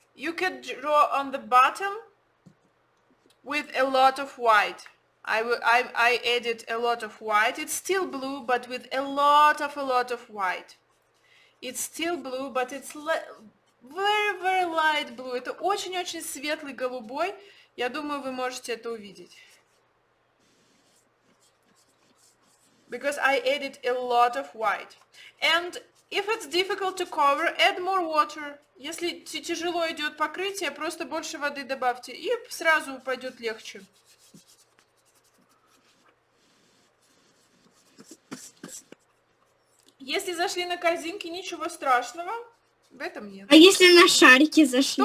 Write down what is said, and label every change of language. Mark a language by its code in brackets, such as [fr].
[en] You can draw on the bottom with a lot of white. I added a lot of white. It's still blue, but with a lot of white. It's still blue, but it's very, very light blue. [ru] Это очень-очень светлый голубой. Я думаю, вы можете это увидеть. [en] Because I added a lot of white. And if it's difficult to cover, add more water. [ru] Если тяжело идет покрытие, просто больше воды добавьте, и сразу пойдет легче. Если зашли на корзинки, ничего страшного. В этом нет. А если на шарики зашли?